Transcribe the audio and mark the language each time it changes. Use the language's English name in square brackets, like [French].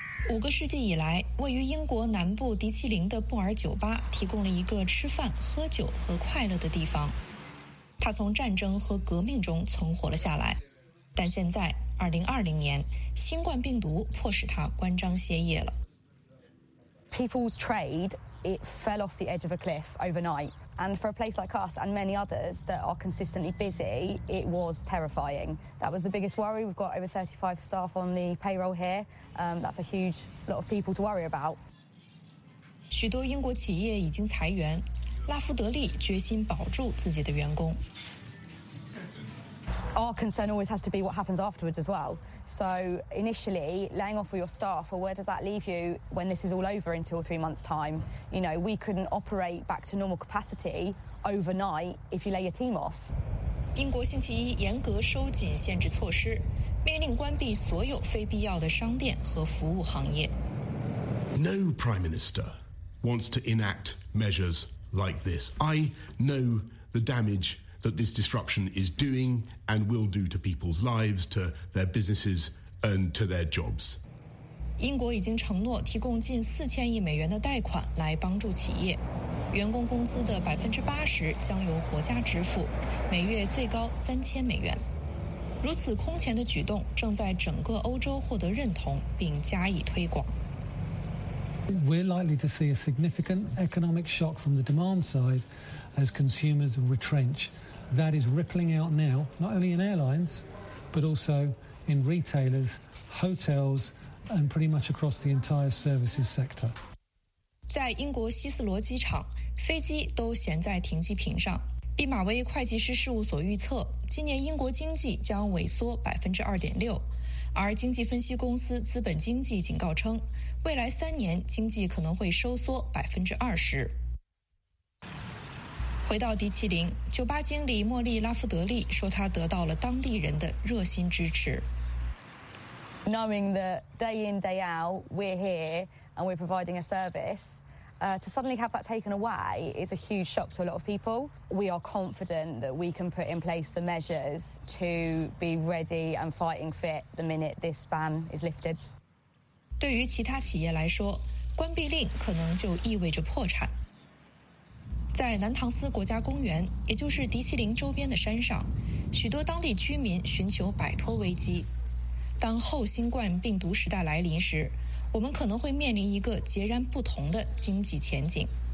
[Chinese] 五个世纪以来，位于英国南部迪奇林的布尔酒吧提供了一个吃饭、喝酒和快乐的地方。它从战争和革命中存活了下来，但现在2020年，新冠病毒迫使它关张歇业了。 [English] People's trade it fell off the edge of a cliff overnight, and for a place like us and many others that are consistently busy, it was terrifying. That was the biggest worry. We've got over 35 staff on the payroll here. That's a huge lot of people to worry about. [Chinese] 许多英国企业已经裁员。拉夫德利决心保住自己的员工。 [English] Our concern always has to be what happens afterwards as well. So initially, laying off all your staff, well, where does that leave you when this is all over in 2 or 3 months' time? You know, we couldn't operate back to normal capacity overnight if you lay your team off. [Chinese] 英国星期一严格收紧限制措施，命令关闭所有非必要的商店和服务行业。 [English] No prime minister wants to enact measures. Like this, I know the damage that this disruption is doing and will do to people's lives, to their businesses, and to their jobs. [Chinese] 英国已经承诺提供近4000亿美元的贷款来�帮助企业，员工工资的80%将由国家支付，每月最高3000美元。如此空前的举动正在整个欧洲获得认同并加以推广。 [English] We're likely to see a significant economic shock from the demand side as consumers retrench. That is rippling out now, not only in airlines, but also in retailers, hotels, and pretty much across the entire services sector. [Chinese] 在英国希斯罗机场，飞机都悬在停机坪上。毕马威会计师事务所预测，今年英国经济将萎缩2.6%。而经济分析公司资本经济警告称，未来3年经济可能会收缩20%。回到迪奇林，酒吧经理莫莉·拉夫德利说，他得到了当地人的热心支持。 [English] Knowing that day in day out we're here and we're providing a service, to suddenly have that taken away is a huge shock to a lot of people. We are confident that we can put in place the measures to be ready and fighting fit the minute this ban is lifted. [Chinese] 对于其他企业来说，关闭令可能就意味着破产。在南唐斯国家公园，也就是迪奇林周边的山上，许多当地居民寻求摆脱危机。当后新冠病毒时代来临时，我们可能会面临一个截然不同的经济前景。